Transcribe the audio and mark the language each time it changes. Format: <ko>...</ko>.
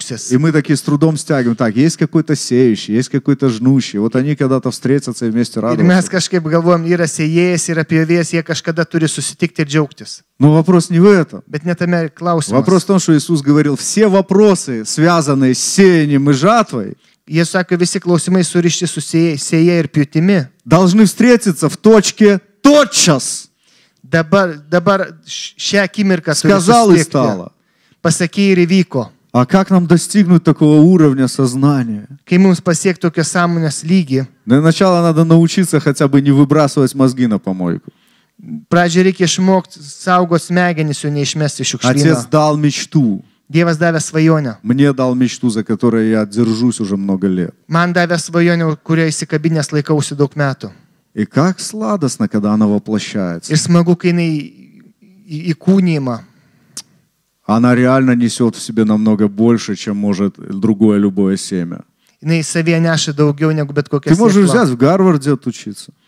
<ru>И мы такие с трудом стягиваем. Так, есть какой-то сеющий, есть какой-то жнущий. Вот они когда-то встретятся и вместе радоваться. Но вопрос не в этом. Вопрос в том, что Иисус говорил, все вопросы, связанные с сеянием и жатвой,</ru> <lt>Jėsų sako, visi klausimai surišti su sėja ir pjūtimi.</lt> <ru>Должны встретиться в точке тотчас.</ru> <lt>Dabar šią akimirką</lt> <ru>сказал и стало.</ru> <lt>Pasakė ir įvyko.</lt> <ru>А как нам достигнуть такого уровня сознания?</ru> <lt>Kai mums pasiekti tokio sąmonės lygį.</lt> <ru>Для начала надо научиться хотя бы не выбрасывать мозги на помойку.</ru> <lt>Pradžiai reikia išmokti saugos smegenis, jų neišmesti į šiukšlyną.</lt> <ru>Отец дал мечту.</ru> <lt>Dievas davė svajonę.</lt> <ru>Мне дал мечту, за которую я держусь уже много лет.</ru> <lt>Man davė svajonę, kurią įsikabinęs laikausi daug metų.</lt> <ru>И как сладостно, когда она воплощается.</ru> <lt>Ir smagu, kai jinai įkūnijama.</lt> <ru>Она реально несет в себе намного больше, чем может другое любое семя.</ru> <lt>Jinai savyje neša daugiau, negu bet kokia</lt> <ru>сетла. Ты можешь взять в Гарварде отучиться.</ru>